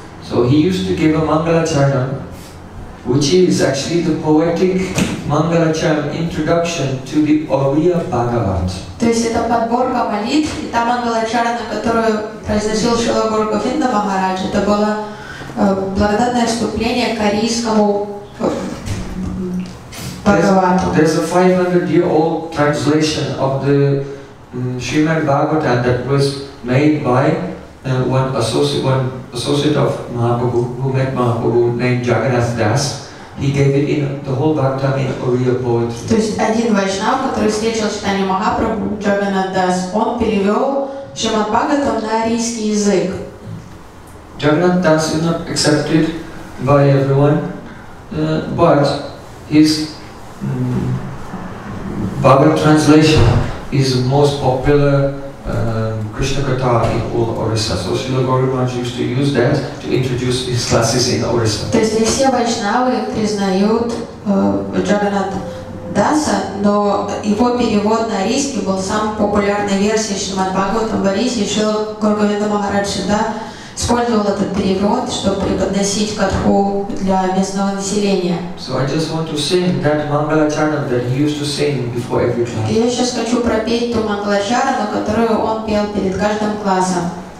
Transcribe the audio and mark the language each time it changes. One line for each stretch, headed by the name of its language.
English: So he used to give a Mangalacharan, which is actually the poetic Mangalacharan introduction to the Oriya Bhagavat.
Russian: То есть это подборка молитв, и та Мангалачарана, которую произносил Шрила Гуру Говинда Махарадж, это было благодатное вступление к арийскому Бхагавату.
English: There's a 500-year-old translation of the Srimad Bhagavatam that was made by one associate of Mahaprabhu, who met Mahaprabhu, named Jagannath Das. He gave it in the whole Bhagavatam in Oriya poetry.
Russian: То есть один вайшнав, который встретил Чайтанья Махапрабху, Джаганнат Дас, он перевел Шримад Бхагаватам на арийский язык.
English: Джаганнат Дас is not accepted by everyone, but his Bhagavat translation is the most popular Krishna Katha in all Orissa. So Srila Gaura Maharaj used to use that to introduce his classes in Orissa.
Russian: То есть не все вайшнавы признают Джаганнат Даса, но его перевод на арийский был самой популярной версией Шримад Бхагаватам в Орисе. Шрила Гуру Говинда Махарадж всегда использовал этот перевод, чтобы преподносить катху для местного населения.
English: So I just want to sing that Mangalacharan that he used to sing before every class.
Russian: Я сейчас хочу пропеть ту Мангалачарану, которую он пел перед каждым классом.